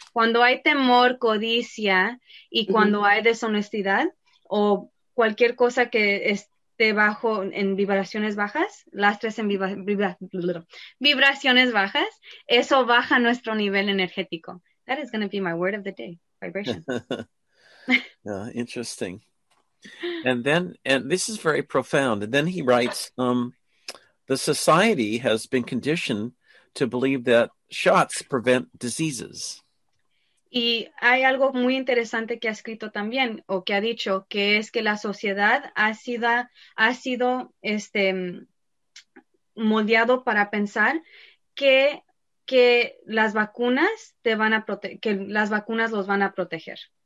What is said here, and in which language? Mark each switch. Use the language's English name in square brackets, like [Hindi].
[Spanish] Cuando hay temor, codicia, y cuando hay deshonestidad, o cualquier cosa que esté bajo en vibraciones bajas, lastres en vibraciones bajas, eso baja nuestro nivel energético. [English] That is going to be my word of the day, vibration. Interesting. And then, and this is very profound. And then he writes, the society has been conditioned to believe that shots prevent diseases. [Spanish] Y hay algo muy interesante que ha escrito también, o que ha dicho, que es que la sociedad ha sido este moldeado para pensar que las vacunas te van a que las vacunas los van a proteger.